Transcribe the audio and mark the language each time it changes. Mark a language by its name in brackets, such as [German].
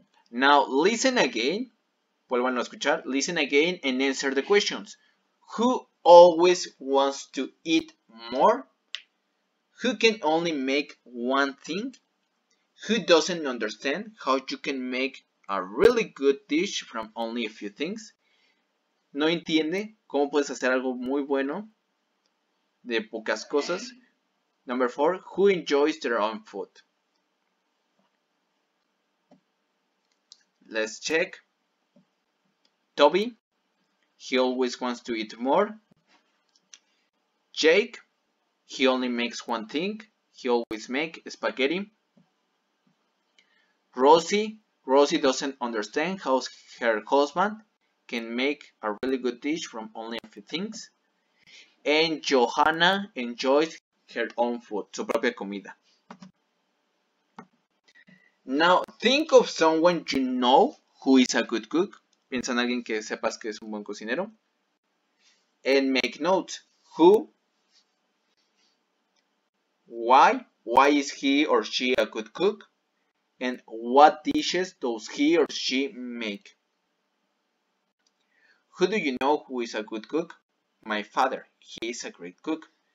[English] Now listen again, [Spanish] vuelvan a escuchar, [English] listen again and answer the questions. Who always wants to eat more? Who can only make one thing? Who doesn't understand how you can make a really good dish from only a few things? [Spanish] No entiende cómo puedes hacer algo muy bueno de pocas cosas. [English] Number four, who enjoys their own food? Let's check. Toby, he always wants to eat more. Jake, he only makes one thing. He always makes spaghetti. Rosie doesn't understand how her husband can make a really good dish from only a few things. And Johanna enjoys her own food, [Spanish] su propia comida. [English] Now, think of someone you know who is a good cook. [Spanish] Piensa en alguien que sepas que es un buen cocinero. [English] And make note, who, why is he or she a good cook? And what dishes does he or she make? Who do you know who is a good cook? My father, he is a great cook.